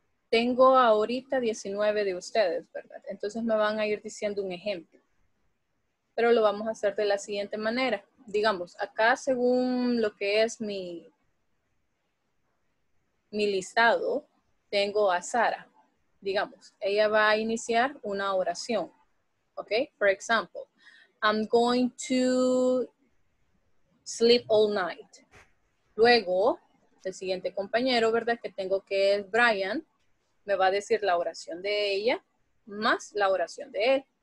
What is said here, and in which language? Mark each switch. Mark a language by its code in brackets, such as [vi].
[es] Tengo ahorita 19 de ustedes, ¿verdad? Entonces me van a ir diciendo un ejemplo. Pero lo vamos a hacer de la siguiente manera. Digamos, acá según lo que es mi listado, tengo a Sara. Digamos, ella va a iniciar una oración. ¿Ok? [en] For example, I'm going to sleep all night. [es] Luego, el siguiente compañero, ¿verdad? Que tengo, que es Brian, me va a decir la oración de ella más la oración de él.